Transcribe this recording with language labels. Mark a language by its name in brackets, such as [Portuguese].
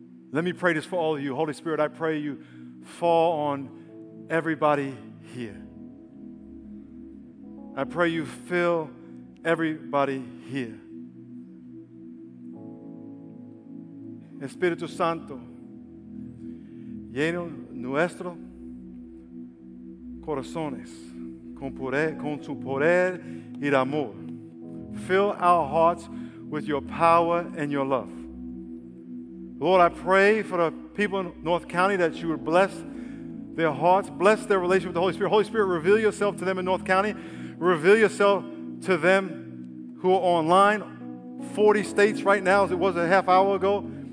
[English] Let me pray this for all of you. Holy Spirit, I pray you fall on everybody here. I pray you fill everybody here. [Spanish] Espíritu Santo, lleno nuestro corazones con tu poder y amor. [English] Fill our hearts with your power and your love. Lord, I pray for the people in North County that you would bless their hearts, bless their relationship with the Holy Spirit. Holy Spirit, reveal yourself to them in North County. Reveal yourself to them who are online, 40 states right now, as it was a half hour ago.